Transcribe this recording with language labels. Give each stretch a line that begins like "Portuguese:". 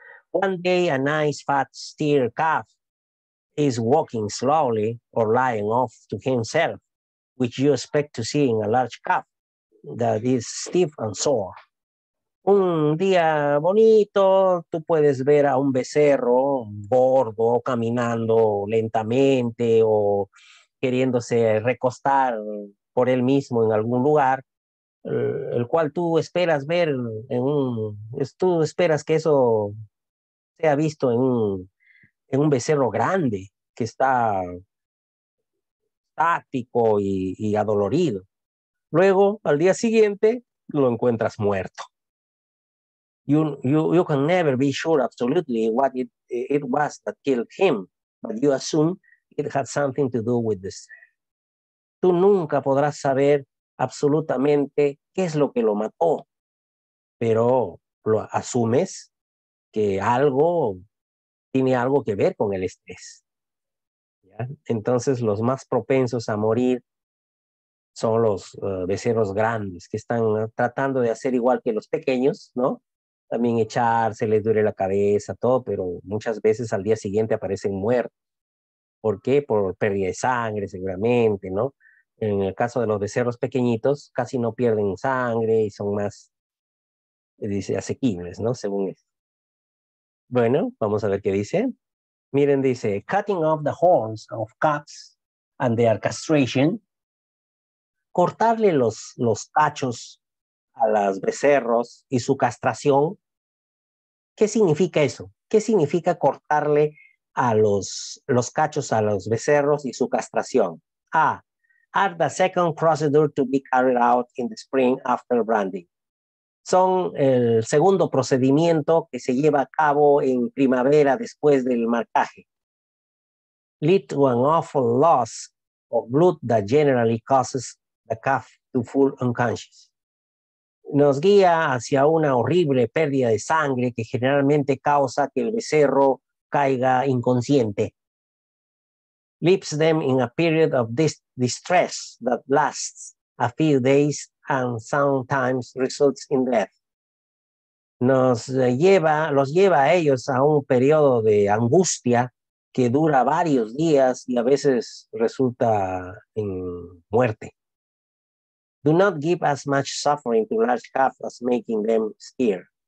English: One day a nice fat steer calf is walking slowly or lying off to himself, which you expect to see in a large calf that is stiff and sore.
Spanish: Un día bonito, tú puedes ver a un becerro gordo caminando lentamente o queriéndose recostar por él mismo en algún lugar. El cual tú esperas ver tú esperas que eso sea visto en un becerro grande que está estático y adolorido. Luego, al día siguiente, lo encuentras muerto.
English: You can never be sure absolutely what it was that killed him, but you assume it had something to do with this.
Spanish: Tú nunca podrás saber absolutamente qué es lo que lo mató, pero lo asumes que algo tiene algo que ver con el estrés. ¿Ya? Entonces, los más propensos a morir son los becerros grandes que están tratando de hacer igual que los pequeños, ¿no? También echarse, les duele la cabeza, todo, pero muchas veces al día siguiente aparecen muertos. ¿Por qué? Por pérdida de sangre, seguramente, ¿no? En el caso de los becerros pequeñitos, casi no pierden sangre y son más, dice, asequibles, ¿no? Según esto. Bueno, vamos a ver qué dice. Miren, dice,
English: cutting off the horns of calves and their castration.
Spanish: Cortarle los cachos a los becerros y su castración. ¿Qué significa eso? ¿Qué significa cortarle a los cachos a los becerros y su castración? A.
English: Add the second procedure to be carried out in the spring after branding.
Spanish: Son el segundo procedimiento que se lleva a cabo en primavera después del marcaje.
English: Lead to an awful loss of blood that generally causes the calf to fall unconscious.
Spanish: Nos guía hacia una horrible pérdida de sangre que generalmente causa que el becerro caiga inconsciente.
English: Leaves them in a period of distress that lasts a few days and sometimes results in death.
Spanish: Los lleva a ellos a un periodo de angustia que dura varios días y a veces resulta en muerte.
English: Do not give as much suffering to large calves as making them steer.